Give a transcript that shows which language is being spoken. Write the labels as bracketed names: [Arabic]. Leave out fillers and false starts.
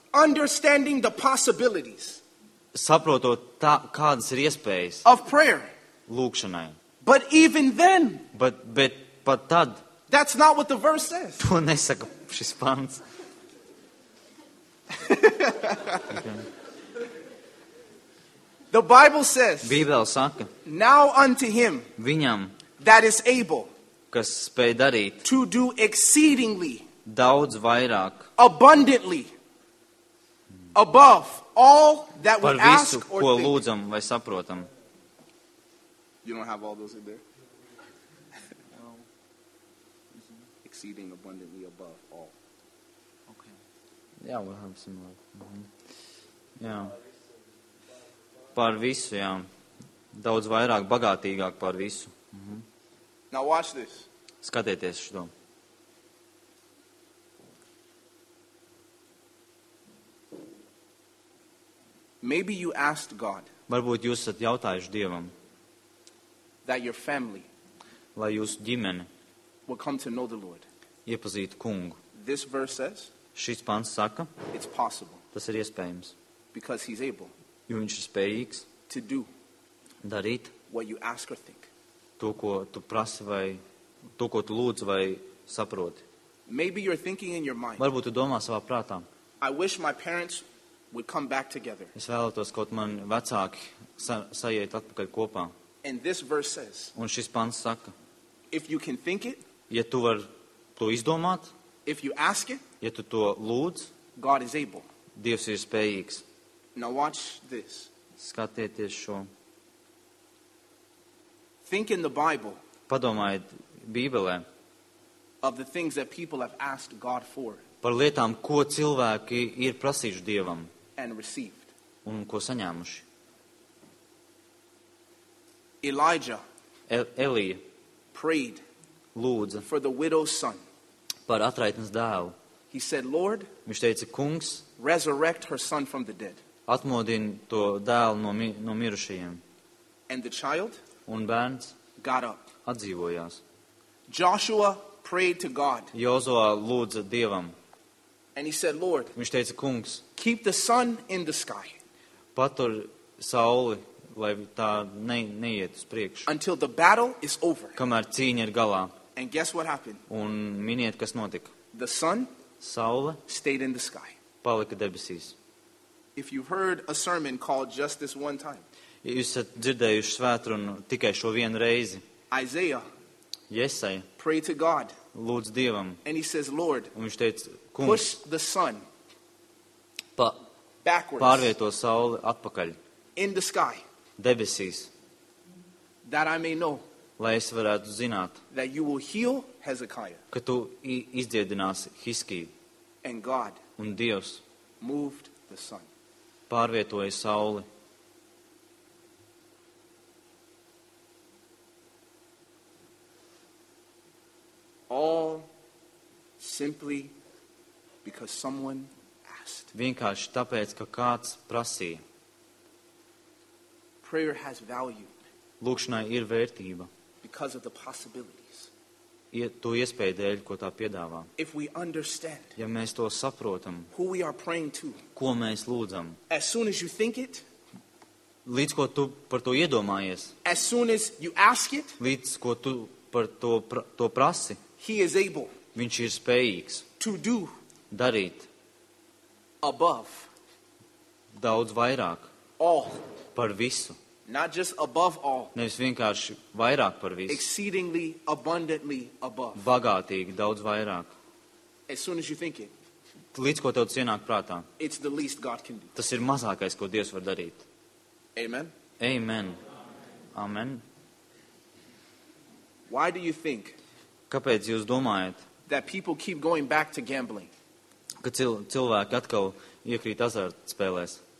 [English] Understanding the possibilities. [Latvian] Saprotot tā, kādas ir iespējas. [English] Of prayer. [Latvian] Lūkšanai. [English] But even then. [Latvian] Bet pat tad. [English] That's not what the verse says. [Latvian] To nesaka šis pants. [English] The Bible says. [Latvian] Bībele saka. [English] Now unto him. [Latvian] Viņam. [English] That is able. [Latvian] Kas spēj darīt. [English] To do exceedingly. [Latvian] Daudz vairāk. [English] Abundantly. Above all that we [Latvian] par visu, [English] ask or [Latvian] ko [English] think. [Latvian] Lūdzam vai saprotam. [English] You don't have all those in there? No. Exceeding abundantly above all. Okay. Yeah, we'll have some more. [Latvian] Mm-hmm. [English] Yeah. [Latvian] Par visu, jā. Daudz vairāk, bagātīgāk par visu. Mm-hmm. [English] Now watch this. [Latvian] Skatieties šo. [English] Maybe you asked God. [Latvian] Varbūt jūs esat jautājuši Dievam. [English] That your family. [Latvian] Lai jūsu ģimene. [English] Will come to know the Lord. [Latvian] Iepazītu Kungu. [English] This verse says. [Latvian] Šis pants saka. [English] It's possible. [Latvian] Tas ir iespējams. [English] Because he's able. [Latvian] Jo viņš ir spējīgs. [English] To do. [Latvian] Darīt. [English] What you ask or think. [Latvian] To, ko tu prasi vai, to, ko tu lūdzi vai saproti. [English] Maybe you're thinking in your mind. [Latvian] Varbūt tu domā savā prātā. [English] I wish my parents would come back together. [Latvian] Es vēlētos, kaut man vecāki saiet atpakaļ kopā. [English] And this verse says. [Latvian] Un šis pants saka. [English] If you can think it. [Latvian] Ja tu var to izdomāt. [English] If you ask it. [Latvian] Ja tu to lūdz. [English] God is able. [Latvian] Dievs ir spējīgs. [English] Now watch this. [Latvian] Skatieties šo. [English] Think in the Bible. [Latvian] Padomājiet Bībelē. [English] Of the things that people have asked God for. [Latvian] Par lietām, ko cilvēki ir prasījuši Dievam. [English] And received. [Latvian] Un ko saņēmuši. [English] Elijah. [Latvian] Elija. [English] Prayed. [Latvian] Lūdza. [English] For the widow's son. [Latvian] Par atraitnes dēlu. [English] He said, Lord. [Latvian] Viņš teica, Kungs. [English] Resurrect her son from the dead. [Latvian] Atmodin to dēlu no mirušajiem. [English] And the child. [Latvian] Un bērns [English] got up. [Latvian] Atdzīvojās. [English] Joshua prayed to God. [Latvian] Jozua lūdza Dievam. [English] And he said, Lord. [Latvian] Viņš teica, Kungs. [English] Keep the sun in the sky. [Latvian] Patur sauli, lai tā neiet uz priekšu. [English] Until the battle is over. [Latvian] Kamēr cīņa ir galā. [English] And guess what happened? [Latvian] Un miniet, kas notika. [English] The sun. [Latvian] Saule. [English] Stayed in the sky. [Latvian] Palika debesīs. [English] If you heard a sermon called just this one time. [Latvian] Ja jūs esat dzirdējuši svētrunu tikai šo vienu reizi. [English] Isaiah. [Latvian] Jesaja. [English] Pray to God. [Latvian] Lūdz Dievam. [English] And he says, Lord. [Latvian] Un viņš teica, Kungs. [English] Push the sun. Backwards. [Latvian] Pārvieto sauli atpakaļ. [English] In the sky. [Latvian] Debesīs. [English] That I may know. [Latvian] Lai es varētu zināt. [English] That you will heal Hezekiah. [Latvian] Ka tu izdziedināsi Hiskiju. [English] And God. [Latvian] Un Dievs. [English] Moved the sun. [Latvian] Pārvietoja sauli. [English] All simply because someone asked. [Latvian] Vienkārši tāpēc, ka kāds prasīja. [English] Prayer has value. [Latvian] Lūkšanai ir vērtība. [English] Because of the possibilities. [Latvian] to iespēju dēļ, ko tā piedāvā. [English] If we understand. [Latvian] Ja mēs to saprotam. [English] Who we are praying to. [Latvian] Ko mēs lūdzam. [English] As soon as you think it. [Latvian] Līdz ko tu par to iedomājies. [English] As soon as you ask it. [Latvian] Līdz ko tu par to to prasi. [English] He is able. [Latvian] Viņš ir spējīgs. [English] To do. [Latvian] Darīt. [English] Above. [Latvian] Daudz vairāk. [English] All. [Latvian] Par visu. [English] Not just above all. [Latvian] Nevis vienkārši vairāk par visu. [English] Exceedingly abundantly above. [Latvian] Bagātīgi, daudz vairāk. [English] As soon as you think it. [Latvian] Līdz ko tev cienāk prātā. [English] It's the least God can do. [Latvian] Tas ir mazākais, ko Dievs var darīt. [English] Amen. [Latvian] Amen. Amen. [English] Why do you think? [Latvian] Kāpēc jūs domājat? [English] That people keep going back to gambling. [Latvian] Ka cilvēki atkal iekrīt azartspēlēs.